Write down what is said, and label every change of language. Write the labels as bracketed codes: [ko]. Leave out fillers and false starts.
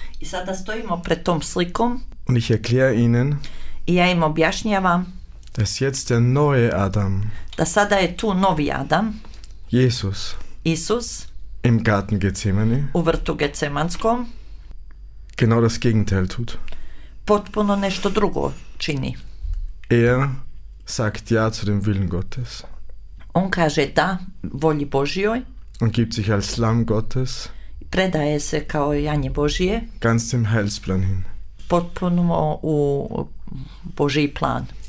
[hr] I sada stojimo pred tom slikom. [de] Und ich erkläre Ihnen. [hr] I ja im objašnjavam. [de] Dass jetzt der neue Adam. [hr] Da sada je tu novi Adam. [de] Jesus. [hr] Isus. [de] Im Garten Gethsemane. [hr] U vrtu Getsemanskom. [de] Genau das Gegenteil tut. [hr] Potpuno nešto drugo čini. [de] Er sagt ja zu dem Willen Gottes. [hr] On kaže da volji Božjoj. [de] Und gibt sich als Lamm Gottes. [hr] Predaje se kao janje Božje. [de] Ganz dem Heilsplan hin. [hr] Potpuno u Božji plan.